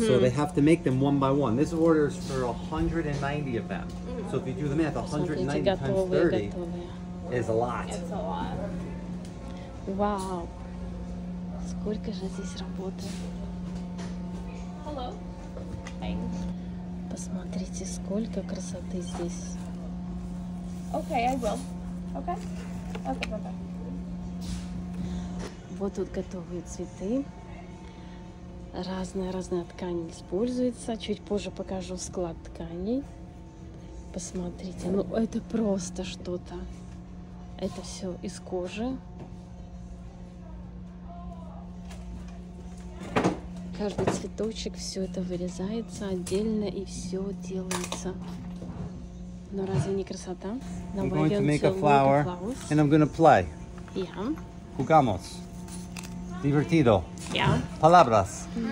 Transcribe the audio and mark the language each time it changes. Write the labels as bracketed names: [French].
[English] So they have to make them one by one. This order is for 190 of them. So if you do the math, 190 times 30 is a lot. It's a lot. Wow. [Russian] Сколько же здесь работы? [English] Hello. Thanks. [Russian] Посмотрите, сколько красоты здесь. [English] Okay, I will. Okay. [Russian] Вот тут готовые цветы. Разная ткань используется. Чуть позже покажу склад тканей. Посмотрите, ну это просто что-то. Это все из кожи. Каждый цветочек, все это вырезается отдельно и все делается. Но разве не красота? [English] I'm going to make a flower, and I'm going to play. Yeah. [Spanish] Jugamos. Divertido. [English] Yeah. [Spanish] Palabras.